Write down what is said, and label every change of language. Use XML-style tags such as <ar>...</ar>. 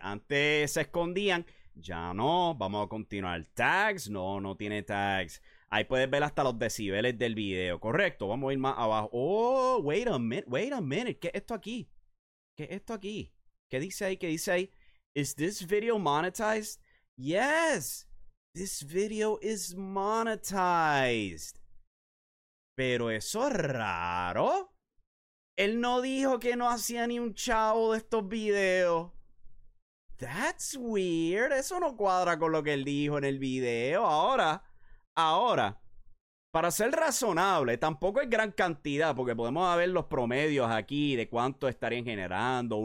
<es>Antes se escondían. Ya no, vamos a continuar. Tags, no, no tiene tags. Ahí puedes ver hasta los decibeles del video, correcto. Vamos a ir más abajo.</es> <en>Oh, wait a minute,</en> <es>¿qué es esto aquí? ¿Qué es esto aquí? ¿Qué dice ahí? ¿Qué dice ahí?</es> <en>Is this video monetized? Yes, this video is monetized.</en> <es>Pero eso es raro. Él no dijo que no hacía ni un chavo de estos videos.</es> <en>That's weird.</en> <es>Eso no cuadra con lo que él dijo en el video. Ahora, para ser razonable, tampoco es gran cantidad, porque podemos ver los promedios aquí de cuánto estarían generando.</es>